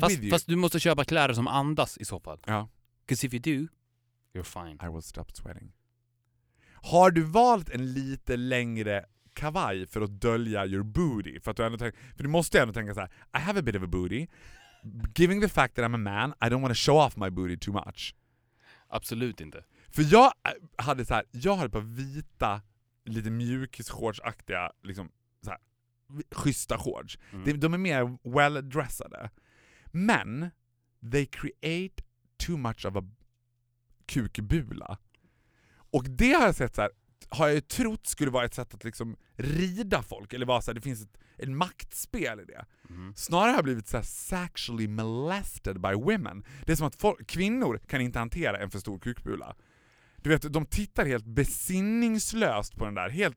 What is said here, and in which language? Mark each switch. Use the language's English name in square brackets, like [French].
[Swedish] Fast du måste köpa kläder som andas i så fall. Ja. [English] Because if you do, you're fine. I will stop sweating. [Swedish] Har du valt en lite längre kavaj för att dölja [English] your booty? [Swedish] För att du ändå tänker, för du måste ändå tänka så här, [English] I have a bit of a booty. Giving the fact that I'm a man, I don't want to show off my booty too much. [Swedish] Absolut inte. För jag hade så här, jag hade på vita, lite mjukis-shorts-aktiga, liksom så här, schyssta shorts. De är mer well-dressade. Men, [English] they create too much of a kukbula. [Swedish] Och det har jag sett så här, har jag ju trott skulle vara ett sätt att liksom rida folk, eller vara så här, det finns ett maktspel i det. Mm. Snarare har jag blivit så här [English] sexually molested by women. [Swedish] Det är som att kvinnor kan inte hantera en för stor kukbula. Du vet, de tittar helt besinningslöst på den där.